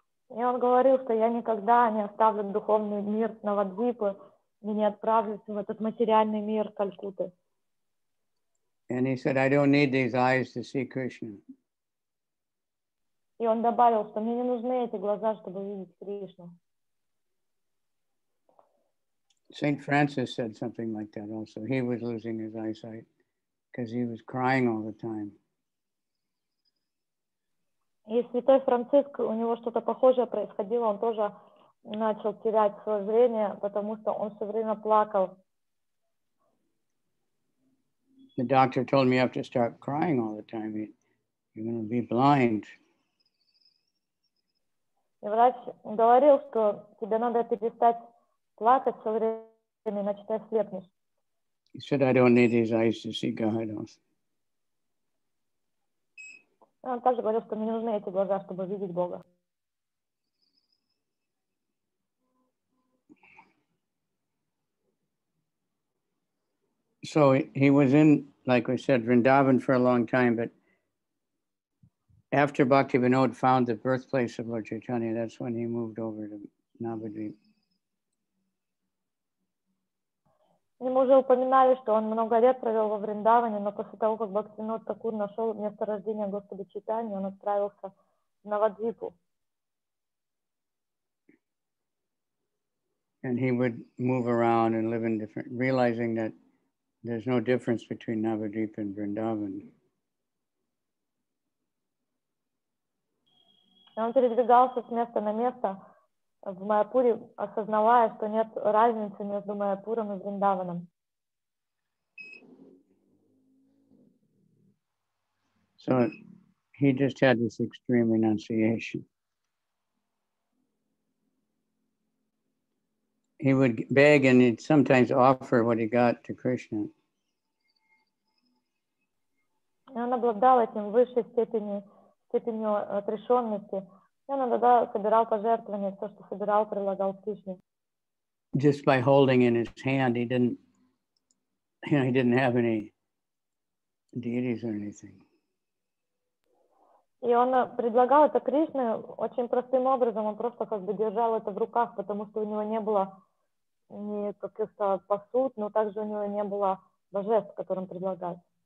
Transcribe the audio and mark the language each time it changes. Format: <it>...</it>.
<ru>И он говорил, что я никогда не оставлю духовный мир Навадвипы, не отправлюсь в этот материальный мир Калькутты.</ru> <en>And he said, I don't need these eyes to see Krishna.</en> <ru>И он добавил, что мне не нужны эти глаза, чтобы видеть Кришну.</ru> <en>Saint Francis said something like that also. He was losing his eyesight because he was crying all the time.</en> <ru>И святой Франциск, у него что-то похожее происходило. Он тоже начал терять свое зрение, потому что он все время плакал.</ru> <en>The doctor told me you have to start crying all the time. You're going to be blind.</en> <ru>И врач говорил, что тебе надо перестать плакать все время, иначе ты ослепнешь.</ru> <en>He said, I don't need these eyes to see God.</en> <ru>Он также говорил, что мне не нужны эти глаза, чтобы видеть Бога.</ru> <en>So he was in, like we said, Vrindavan for a long time, but after Bhaktivinod found the birthplace of Lord Chaitanya, that's when he moved over to Navadvipa.</en> <ru>Мы уже упоминали, что он много лет провел во Вриндаване, но после того, как Бхактивинод Такур нашел место рождения Господа Чайтаньи, он отправился в Навадвипу.</ru> <en>And he would move around and live in different, realizing that there's no difference between Navadvip and Vrindavan.</en> <ru>Он передвигался с места на место в Майяпуре, осознавая, что нет разницы между Майяпуром и Вриндаваном.</ru> <en>So he just had this extreme renunciation. He would beg and he'd sometimes offer what he got to Krishna.</en> <ru>И он обладал этим высшей степенью отрешенности. И он иногда собирал пожертвования, то, что собирал, прилагал к Кришне.</ru> <en>Just by holding in his hand, he didn't have any deities or anything.</en> <ru>И он предлагал это Кришне очень простым образом, он просто как бы держал это в руках, потому что у него не было ни каких-то посуд, но также у него не было божеств, которым предлагать.</ru>